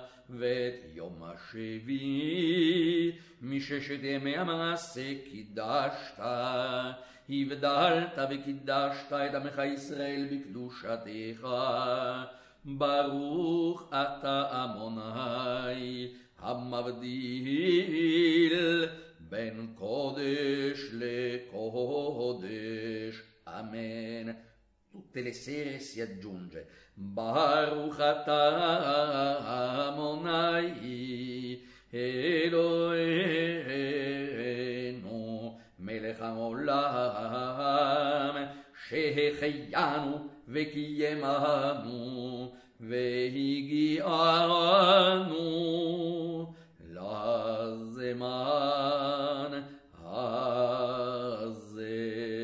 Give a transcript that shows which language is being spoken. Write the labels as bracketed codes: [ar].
[he] ואת יום השביעי מששת ימי המעשה קידשת, הבדלת וקידשת את עמך ישראל בקדושתך. ברוך אתה עמוני המבדיל בין קודש לקודש. אמן. [it] Tutte le sere si aggiunge, [he] ברוך אתה עמוני אלוהינו מלך העולם, שהחיינו וקיימנו והגיענו לזמן הזה.